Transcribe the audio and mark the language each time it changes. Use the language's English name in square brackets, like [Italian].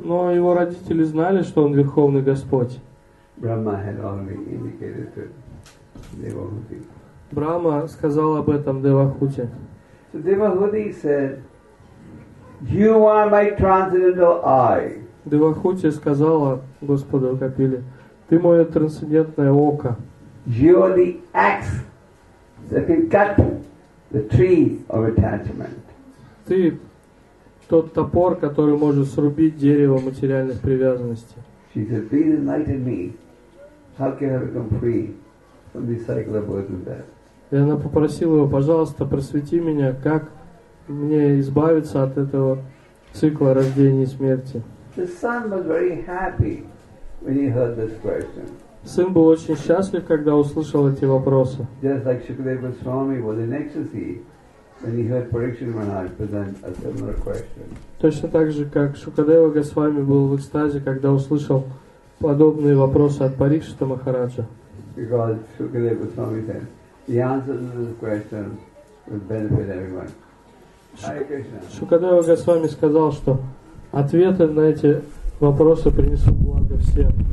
[Russian] Но его родители знали, что он Верховный Господь. [English] Brahma had already indicated to Devahuti. [Russian] Брахма сказал об этом Девахути. [English] So Devahuti said, "You are my transcendental eye." [Russian] Девахути сказала Господу Капиле, "Ты мое трансцендентное око." [English] You are the axe that can cut the tree of attachment. [Russian] Ты тот топор, который может срубить дерево материальных привязанностей. И она попросила его: пожалуйста, просвети меня, как мне избавиться от этого цикла рождения и смерти. [English] The son was very happy when he heard this question. [Russian] Сын был очень счастлив, когда услышал эти вопросы. [English] Just like Shukadeva Swami was in ecstasy when he heard Parikshit Maharaj present a similar question. [Russian] Точно так же, как Шукадева Госвами был в экстазе, когда услышал подобные вопросы от Парикшита Махараджа. [English] Because Shukadeva Swami said, the answer to this question will benefit everyone. [Russian] Шукадева Госвами сказал, что ответы на эти вопросы принесут благо всем.